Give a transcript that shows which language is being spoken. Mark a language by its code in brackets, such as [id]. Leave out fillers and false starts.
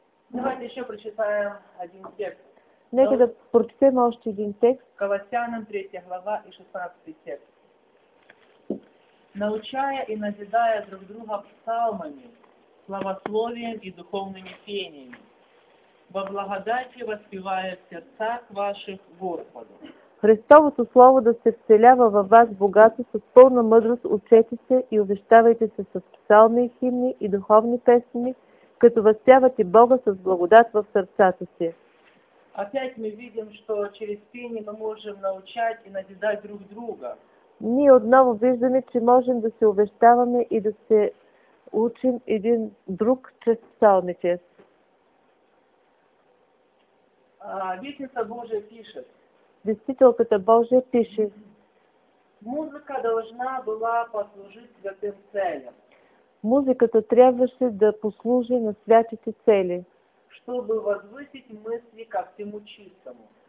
[ru] Давайте еще прочитаем один текст. [bg] Нека да прочетем още един текст. [ru] Колосянам 3 глава и 16 текст. Научая и назидая друг друга псалмами, славословием и духовными пениями, во благодати воспевая в сердцах ваших Господу. [bg] Христовото слово да се вселява във вас богато с пълна мъдрост, учете се и увещавайте се с псалми и химни и духовни песни, като възпявате Бога с благодат в сърцата си. [ru] Опять мы видим, что через пение мы можем научать и назидать друг друга. [bg] Ни отново виждаме, че можем да се увещаваме и да се учим един друг чрез псалмите. [ru] Вестница Божия пишет. [bg] Вестителката Божия пише. [ru] Музыка должна была послужить святым целям. [bg] Музыката трябваше да послужи на святите цели. [ru] Чтобы возвысить мысли ко всему чистому.